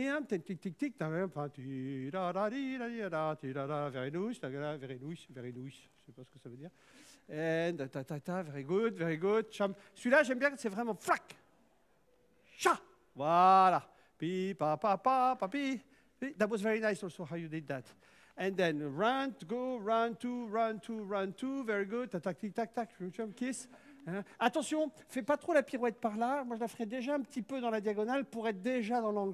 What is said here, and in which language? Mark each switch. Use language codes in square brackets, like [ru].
[fr] Je sais pas ce que ça veut dire. [en] And ta ta ta, very good. [fr] Celui-là, j'aime bien que c'est vraiment flac. Cha. Voilà. Pi pa pa pa pa pi. [en] That was very nice also how you did that. And then run, go, run, two, run, two, run, two. Very good. Ta ta tic tac tac. Kiss. [fr] Attention, fais pas trop la pirouette par là. Moi, je la ferai déjà un petit peu dans la diagonale pour être déjà dans l'angle.